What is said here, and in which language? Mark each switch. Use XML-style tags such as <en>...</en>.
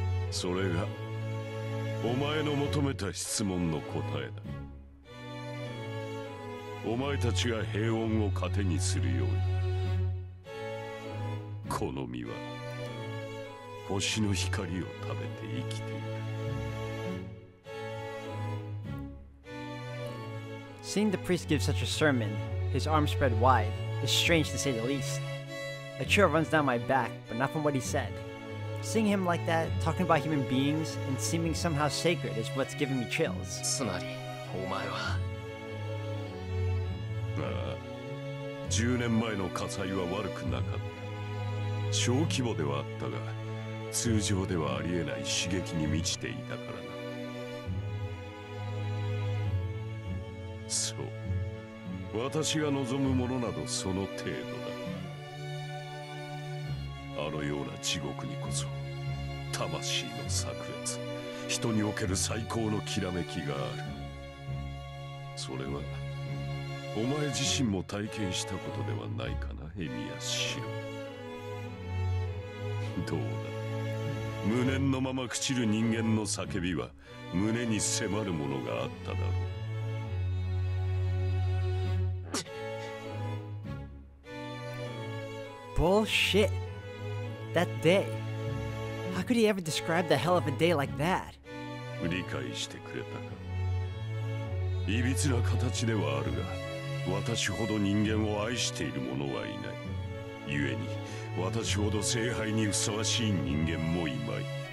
<ja>それがお前の求めた質問の答えだ。お前たちが平穏を糧にするように、この身は星の光を食べて生きている。</ja> <en>Seeing the priest give such a sermon, his arms spread wide, is strange to say the least. A chill runs down my back, but not from what he said. Seeing him like that, talking about human beings, and seeming somehow sacred is what's giving me chills.</en> <ja>つまり、お前は… ああ、10年前の火災は悪くなかった。小規模ではあったが、通常ではありえない刺激に満ちていたからな。そう、私が望むものなどその程度だ。あのような地獄にこそ魂の炸裂、人における最高のきらめきがある。それはお前自身も体験したことではないかな、エミヤシロ。どうだ、無念のまま朽ちる人間の叫びは胸に迫るものがあっただろう。</ja> <en>Bullshit. That day. How could he ever describe the hell of a day like that?</en> <ja>理解してくれたか。いびつな形ではあるが、私ほど人間を愛している者はいない。故に私ほど聖杯にふさわしい人間もいまい。</ja>